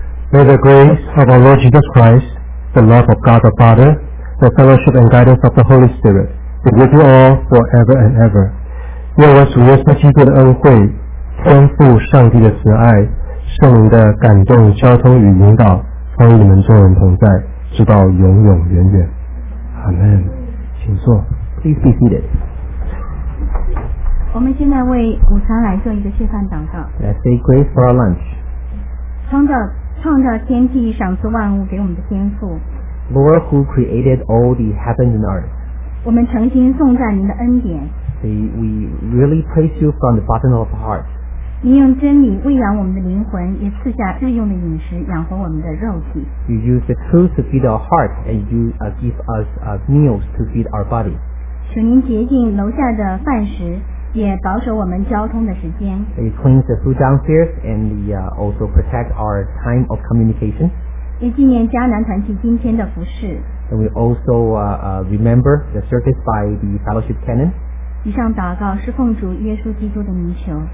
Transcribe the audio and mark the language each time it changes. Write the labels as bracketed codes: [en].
[en] May the grace of our Lord Jesus Christ, the love of God the Father, the fellowship and guidance of the Holy Spirit be with you all forever and ever. [zh] 愿我主耶稣基督的恩惠、天父上帝的慈爱、圣灵的感动、交通与引导，与你们众人同在，直到永永远远。阿门。请坐。 [en] Please be seated. [zh] 我们现在为午餐来做一个示范祷告。 [en] Let's say grace for our lunch. [zh] 创造创造天地赏赐万物给我们的天父 [en] Lord who created all the heavens and earth [zh] 我们诚心颂赞您的恩典 [en] We really praise you from the bottom of our heart [zh] 您用真理喂养我们的灵魂也赐下日用的饮食养活我们的肉体 [en] You use the truth to feed our heart and you give us meals to feed our body [zh] 请您洁净楼下的饭食也保守我们交通的时间 [en] It cleans the food downstairs and we also protect our time of communication [zh] 也纪念迦南团契今天的服事 [en] And we also remember the service by the fellowship canon [zh] 以上祷告是奉主耶稣基督的名求